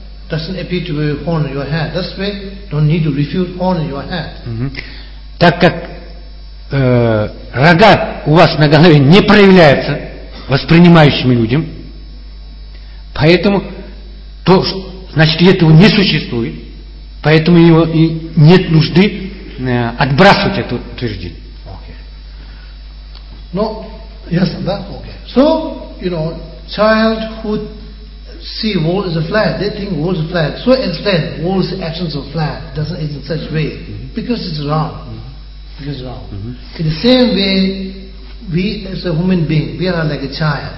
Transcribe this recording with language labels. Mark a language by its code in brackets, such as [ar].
[en] Doesn't appear to be a horn on your head. That's why don't need to refute horn on your head. [ru] Так как рога у вас на голове не проявляются воспринимающим людям, Поэтому то, значит, этого не существует, поэтому его и нет нужды отбрасывать это утверждение. Ну, ясно, да? Okay. [en] So, you know, child who see wall is a flat, they think wall is a flat. So instead, wall is the absence of flat. Doesn't it in such way? Mm-hmm. Because it's wrong. Mm-hmm. Because it's wrong. Mm-hmm. In the same way, we as a human being, we are like a child.